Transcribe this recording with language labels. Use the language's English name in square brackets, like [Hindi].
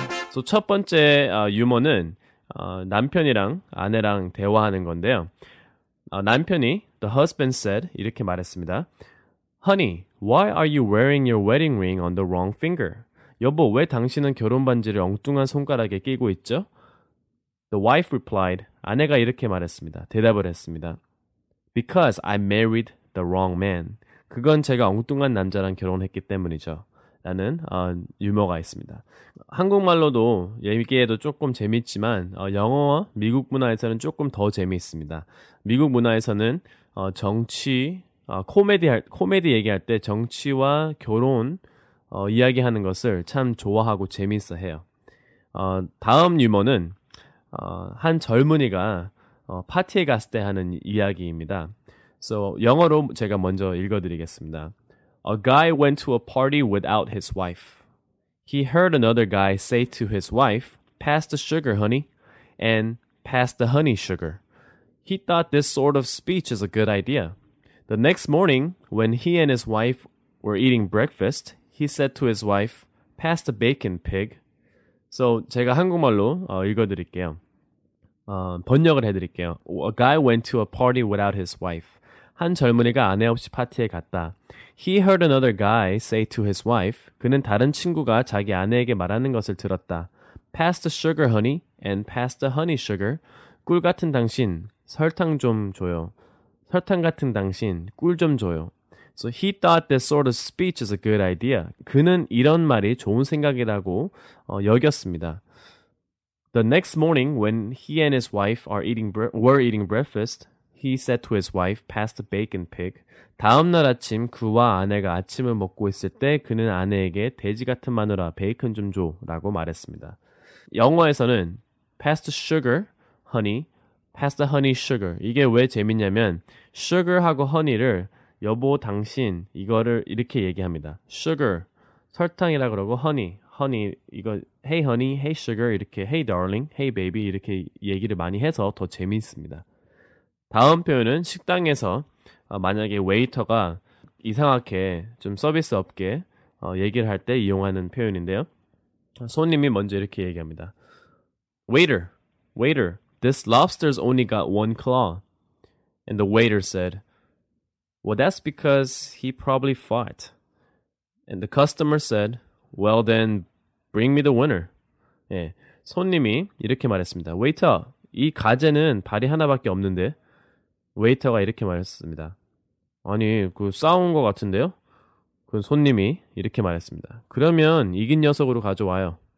[Korean] So 첫 번째 유머는 남편이랑 아내랑 대화하는 건데요. 남편이 [English] the husband said [Korean] 이렇게 말했습니다. [English] Honey, why are you wearing your wedding ring on the wrong finger? [Korean] 여보, 왜 당신은 결혼 반지를 엉뚱한 손가락에 끼고 있죠? [English] The wife replied, [Korean] 아내가 이렇게 말했습니다. 대답을 했습니다. [English] Because I married the wrong man. [Korean] 그건 제가 엉뚱한 남자랑 결혼했기 때문이죠. 라는 유머가 있습니다. 한국말로도 얘기해도 조금 재밌지만 영어와 미국 문화에서는 조금 더 재미있습니다. 미국 문화에서는 정치, 코미디 얘기할 때 정치와 결혼 이야기하는 것을 참 좋아하고 재미있어해요. 다음 유머는 한 젊은이가 파티에 갔을 때 하는 이야기입니다. So 영어로 제가 먼저 읽어드리겠습니다. [English] A guy went to a party without his wife. He heard another guy say to his wife, pass the sugar, honey, and pass the honey sugar. He thought this sort of speech is a good idea. The next morning, when he and his wife were eating breakfast, he said to his wife, pass the bacon, pig. [Korean] So 제가 한국말로 읽어드릴게요. 번역을 해드릴게요. [English] A guy went to a party without his wife. [Korean] 한 젊은이가 아내 없이 파티에 갔다. [English] He heard another guy say to his wife, [Korean] 그는 다른 친구가 자기 아내에게 말하는 것을 들었다. [English] Pass the sugar, honey, and pass the honey sugar. [Korean] 꿀 같은 당신, 설탕 좀 줘요. 설탕 같은 당신, 꿀 좀 줘요. [English] So he thought this sort of speech is a good idea. [Korean] 그는 이런 말이 좋은 생각이라고 여겼습니다. [English] The next morning, when he and his wife were eating breakfast, He said to his wife, pass the bacon, pig. [Korean] 다음 날 아침 그와 아내가 아침을 먹고 있을 때 그는 아내에게 돼지 같은 마누라, 베이컨 좀 줘 라고 말했습니다. 영어에서는 [English] pass the sugar, honey, pass the honey sugar. [Korean] 이게 왜 재밌냐면 sugar하고 honey를 여보 당신 이거를 이렇게 얘기합니다. sugar, 설탕이라고 그러고 honey, 이거 [English] hey honey, hey sugar, [Korean] 이렇게 [English] hey darling, hey baby [Korean] 이렇게 얘기를 많이 해서 더 재미있습니다. 다음 표현은 식당에서 만약에 웨이터가 이상하게 좀 서비스 없게 얘기를 할 때 이용하는 표현인데요. 손님이 먼저 이렇게 얘기합니다. [English] Waiter, waiter, this lobster's only got one claw. And the waiter said, Well, that's because he probably fought. And the customer said, Well, then, Bring me the winner. [Korean] 예, 손님이 이렇게 말했습니다. Waiter, 이 가재는 발이 하나밖에 없는데. 웨이터가 이렇게 말했습니다. 아니, 그 싸운 것 같은데요? 그 손님이 이렇게 말했습니다. 그러면 이긴 녀석으로 가져와요.